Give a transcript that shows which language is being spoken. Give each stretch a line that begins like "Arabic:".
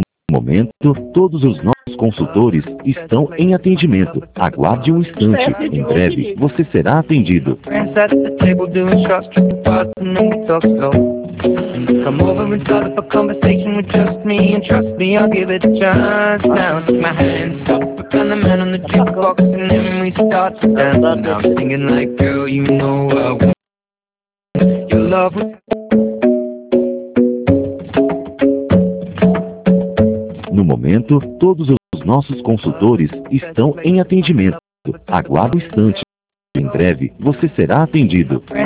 Portuguese: Momento, todos os nossos consultores estão em atendimento. Aguarde um instante, em breve você será atendido.
English: Come over and start up a conversation with just me, and trust me, I'll give it a chance. Now my hands up, and the man on the jukebox, and then we start to dance. And I'm singing like, girl, you know I want your love.
Portuguese: No momento, todos os nossos consultores estão em atendimento. Aguarde um instante. Em breve, você será atendido.